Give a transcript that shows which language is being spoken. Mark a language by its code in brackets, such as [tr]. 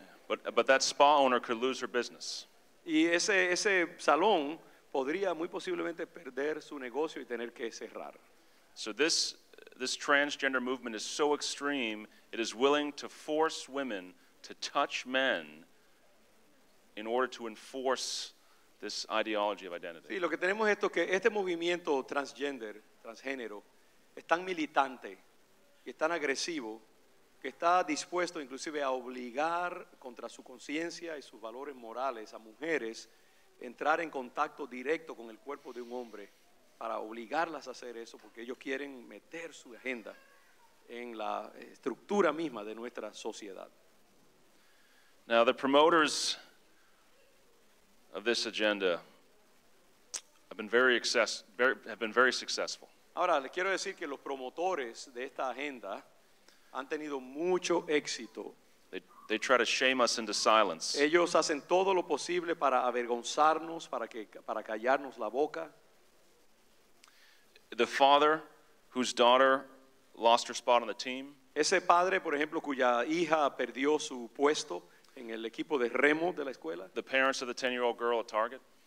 [en] But that spa owner could lose her business. [es] Y ese salón podría muy posiblemente perder su negocio y tener que cerrar. [en] So this transgender movement is so extreme, it is willing to force women to touch men in order to enforce this ideology of identity. [es] Sí, lo que tenemos esto que este movimiento transgénero es tan militante y es tan agresivo que está dispuesto inclusive a obligar contra su conciencia y sus valores morales a mujeres entrar en contacto directo con el cuerpo de un hombre para obligarlas a hacer eso porque ellos quieren meter su agenda en la estructura misma de nuestra sociedad. [en] Now the promoters of this agenda have been very successful. [es] Ahora les quiero decir que los promotores de esta agenda han tenido mucho éxito. [en] They try to shame us into silence. [es] Ellos hacen todo lo posible para avergonzarnos, para callarnos la boca. [en] The father whose daughter lost her spot on the team. [es] Ese padre, por ejemplo, cuya hija perdió su puesto en el equipo de remo de la escuela. [en] The parents of the 10-year-old girl at Target.